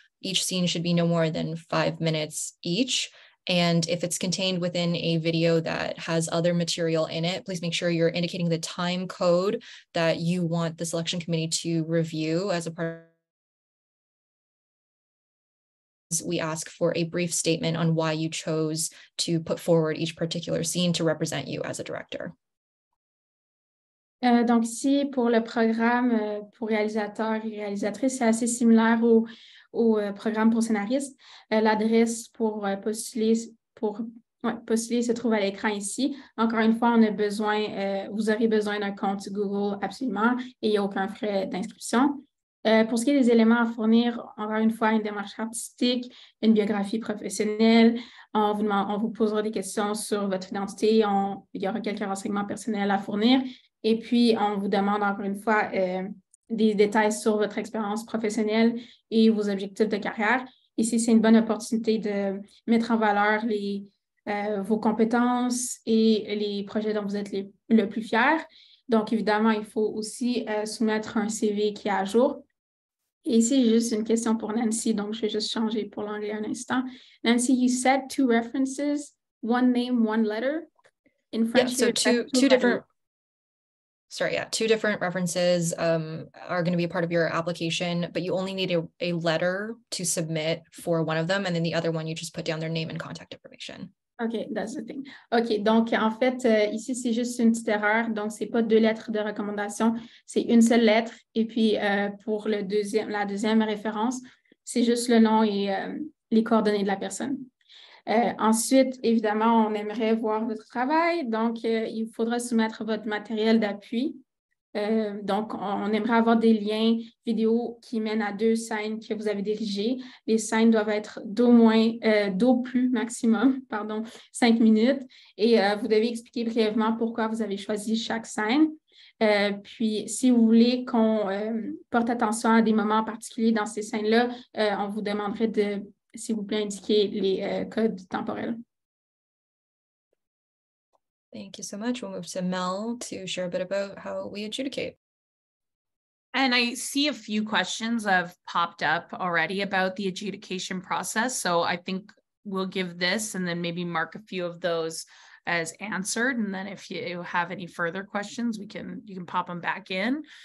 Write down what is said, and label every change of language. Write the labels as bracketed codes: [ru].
[en] Each scene should be no more than 5 minutes each. And if it's contained within a video that has other material in it, please make sure you're indicating the time code that you want the selection committee to review as a part of. We ask for a brief statement on why you chose to put forward each particular scene to represent you as a director. [fr] Donc ici, pour le programme pour réalisateurs et réalisatrices, c'est assez similaire au programme pour scénaristes. L'adresse pour postuler se trouve à l'écran ici. Encore une fois, vous aurez besoin d'un compte Google absolument et il n'y a aucun frais d'inscription. Pour ce qui est des éléments à fournir, encore une fois, une démarche artistique, une biographie professionnelle, on vous posera des questions sur votre identité, il y aura quelques renseignements personnels à fournir. Et puis, on vous demande encore une fois des détails sur votre expérience professionnelle et vos objectifs de carrière. Ici, c'est une bonne opportunité de mettre en valeur vos compétences et les projets dont vous êtes le plus fier. Donc, évidemment, il faut aussi soumettre un CV qui est à jour. Et ici, juste une question pour Nancy, donc je vais juste changer pour l'anglais un instant. [en] Nancy, you said two references, one name, one letter. In French, yeah, so two different references are going to be a part of your application, but you only need a letter to submit for one of them, and then the other one, you just put down their name and contact information. OK, that's the thing. [fr] OK, donc en fait, ici, c'est juste une petite erreur. Donc, ce n'est pas deux lettres de recommandation, c'est une seule lettre. Et puis, pour la deuxième référence, c'est juste le nom et les coordonnées de la personne. Ensuite, évidemment, on aimerait voir votre travail. Donc, il faudra soumettre votre matériel d'appui. Donc, on aimerait avoir des liens vidéo qui mènent à deux scènes que vous avez dirigées. Les scènes doivent être d'au plus maximum 5 minutes. Et vous devez expliquer brièvement pourquoi vous avez choisi chaque scène. Puis, si vous voulez qu'on porte attention à des moments particuliers dans ces scènes-là, on vous demanderait de, s'il vous plaît, indiquer les codes temporels. [en] Thank you so much. We'll move to Mel to share a bit about how we adjudicate. And I see a few questions have popped up already about the adjudication process. So I think we'll give this and then maybe mark a few of those as answered. And then if you have any further questions, you can pop them back in.